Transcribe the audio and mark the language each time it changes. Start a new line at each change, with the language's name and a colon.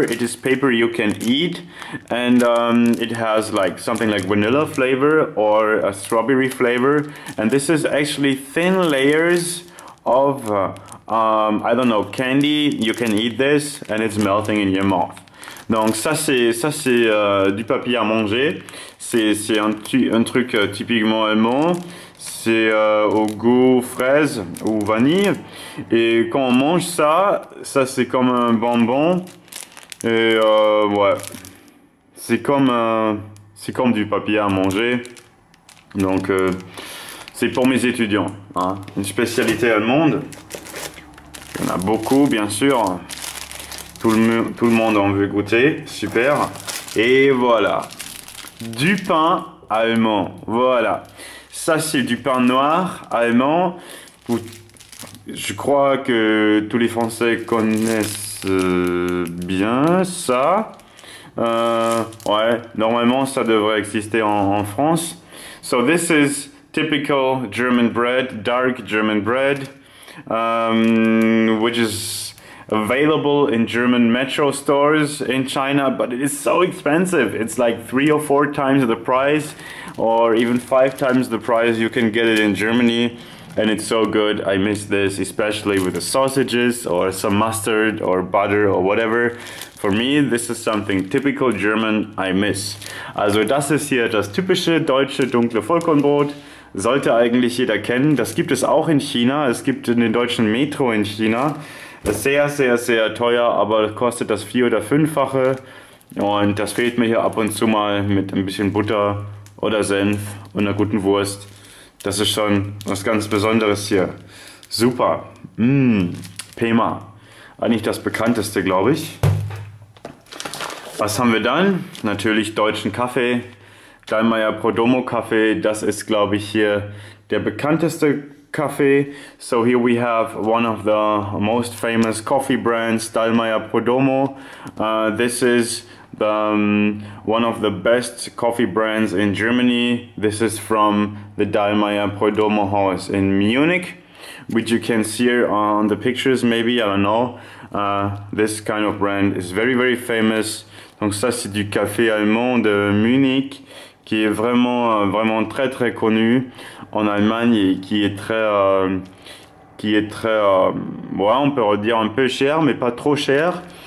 English: It is paper you can eat and it has like something like vanilla flavor or a strawberry flavor. And this is actually thin layers of, I don't know, candy. You can eat this and it's melting in your mouth.
French: Donc ça c'est du papier à manger, c'est un truc typiquement allemand, c'est au goût fraise ou vanille, et quand on mange ça, ça c'est comme un bonbon, et ouais, c'est comme du papier à manger, donc c'est pour mes étudiants, hein. Une spécialité allemande, il y en a beaucoup bien sûr. Tout le monde en veut goûter, super. Et voilà, du pain allemand, voilà. Ça c'est du pain noir allemand. Je crois que tous les Français connaissent bien ça. Ouais, normalement ça devrait exister en France.
English: So this is typical German bread, dark German bread, which is available in German metro stores in China, but it is so expensive. It's like 3 or 4 times the price, or even 5 times the price you can get it in Germany. And it's so good. I miss this, especially with the sausages or some mustard or butter or whatever. For me, this is something typical German I miss.
German: Also, das ist hier das typische deutsche dunkle Vollkornbrot. Sollte eigentlich jeder kennen. Das gibt es auch in China. Es gibt in den deutschen Metro in China. Sehr, sehr, sehr teuer, aber kostet das 4- oder 5-fache. Und das fehlt mir hier ab und zu mal mit ein bisschen Butter oder Senf und einer guten Wurst. Das ist schon was ganz Besonderes hier. Super. Pema. Eigentlich das bekannteste, glaube ich. Was haben wir dann? Natürlich deutschen Kaffee. Dallmayr Prodomo Kaffee. Das ist, glaube ich, hier der bekannteste Kaffee.
English: So here we have one of the most famous coffee brands, Dallmayr Prodomo. This is the one of the best coffee brands in Germany. This is from the Dallmayr Prodomo house in Munich, which you can see on the pictures maybe, I don't know. This kind of brand is very, very famous.
French: Donc ça c'est du café allemand de Munich qui est vraiment, vraiment très, très connu en Allemagne et qui est très, on peut dire un peu cher, mais pas trop cher.